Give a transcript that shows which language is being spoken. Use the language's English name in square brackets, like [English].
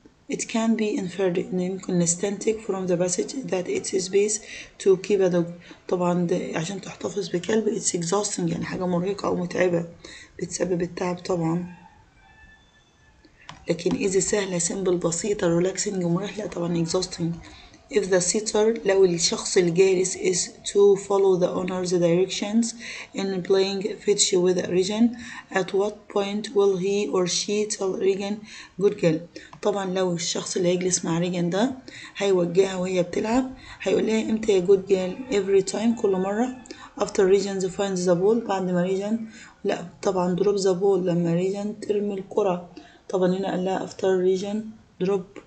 [English] It can be inferred [Arabic] ان يمكن نستنتج [English] from the passage that it's space to keep a dog. [Arabic] طبعا عشان تحتفظ بكلب [English] it's exhausting [Arabic] يعني حاجة مرهقة أو متعبة بتسبب التعب طبعا. لكن إذا سهلة simple بسيطة relaxing مريح لا طبعا exhausting [English] if the sitter [Arabic] لو الشخص الجالس [English] is to follow the owner's directions in playing fetch with Regan at what point will he or she tell Regan good girl. [Arabic] طبعا لو الشخص اللي هيجلس مع ريجان ده هيوجهها وهي بتلعب هيقول لها امتى يا جود جيرل [English] every time [Arabic] كل مرة [English] after Regan finds the ball [Arabic] بعد ما ريجان لا طبعا [English] drop the ball [Arabic] لما ريجان ترمي الكرة طبعا هنا قال لها [English] after Regan drop.